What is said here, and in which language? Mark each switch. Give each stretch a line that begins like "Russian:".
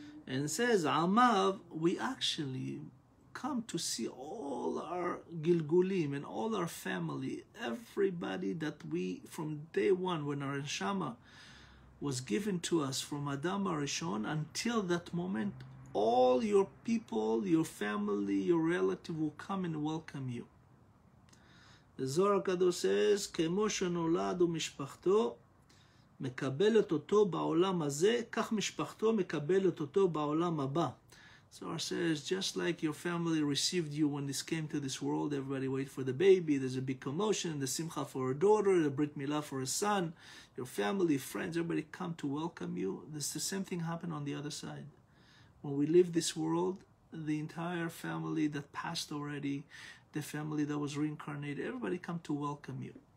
English: And says, Amav, we actually come to see all our Gilgulim and all our family, everybody that we, from day one, when our Neshama was given to us from Adam HaRishon until that moment, all your people, your family, your relative will come and welcome you. The Zohar Kadosh says,
Hebrew: Kemo shenolad umishpachto, מקבלת אותו בעולם הזה, כך משפחתו מקבלת אותו בעולם הבא.
English: So it says, just like your family received you when this came to this world, everybody wait for the baby, there's a big commotion, the simcha for a daughter, the brit milah for a son, your family, friends, everybody come to welcome you. This, the same thing happened on the other side. When we leave this world, the entire family that passed already, the family that was reincarnated, everybody come to welcome you.